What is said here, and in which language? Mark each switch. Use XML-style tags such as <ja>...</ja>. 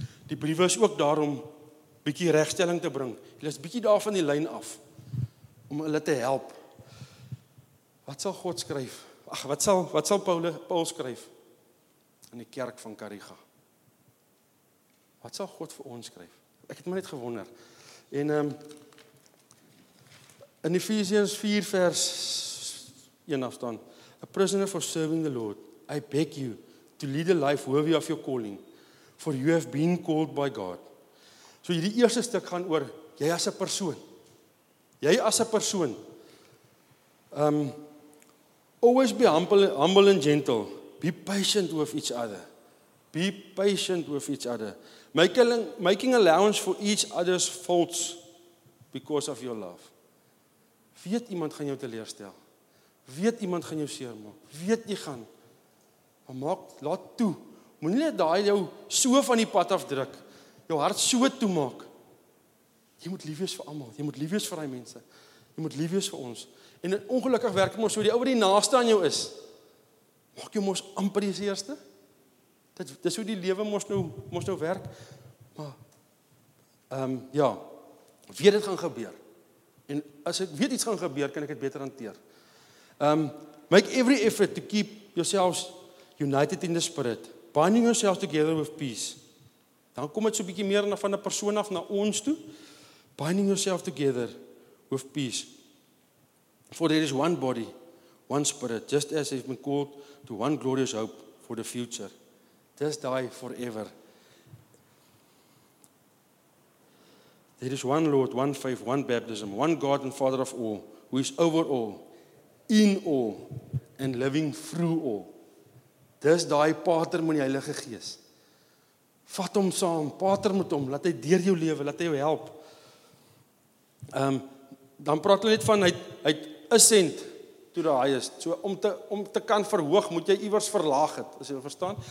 <af>Die briewe is ook daar om bietjie regstelling te bring. Hulle is bietjie daar van die lyn af om hulle te help. Wat sal God skryf? Ag, wat sal Paul skryf in die kerk van Kariga? Wat sal God vir ons skryf? Ek het my net gewonder. En in Efesiërs 4 vers 1 af staan,</af> <en>a prisoner for serving the Lord, I beg you to lead a life worthy of your calling, for you have been called by God.</en> <af>So hierdie eerste stuk gaan oor, jy as a persoon,</af> <en>always be humble and gentle, be patient with each other, making allowance for each other's faults because of your love.</en> <af>Weet iemand gaan jou teleerstel. Weet iemand gaan jou seermaak. Weet jy gaan. Maar maak, laat toe. Moenie net daai jou so van die pad afdruk. Jou hart so toemaak. Jy moet lief wees vir almal. Jy moet lief wees vir daai mense. Jy moet lief wees vir ons. En ongelukkig werk ons so die ou wat die naaste aan jou is. Maak jou mos amper die eerste. Dit is hoe die lewe mos nou werk. Maar weet dit gaan gebeur. En as ek weet iets gaan gebeur, kan ek dit beter hanteer.</af> <en>Make every effort to keep yourselves united in the spirit. Binding yourselves together with peace.</en> <af>Dan kom het so bietjie meer van die persoon af na ons toe.</af> <en>Binding yourself together with peace. For there is one body, one spirit, just as it's been called to one glorious hope for the future. Just die forever. There is one Lord, one faith, one baptism, one God and Father of all, who is over all, in all, and living through all.</en> <af>Dis daai pater met die Heilige Gees. Vat hom saam, pater met hom, laat hy deur jou lewe, laat hy jou help. Dan praat hulle net van, hy het</af> <en>ascend to the highest.</en> <af>So om te kan verhoog, moet jy iewers verlaag het, as jy verstaan.</af>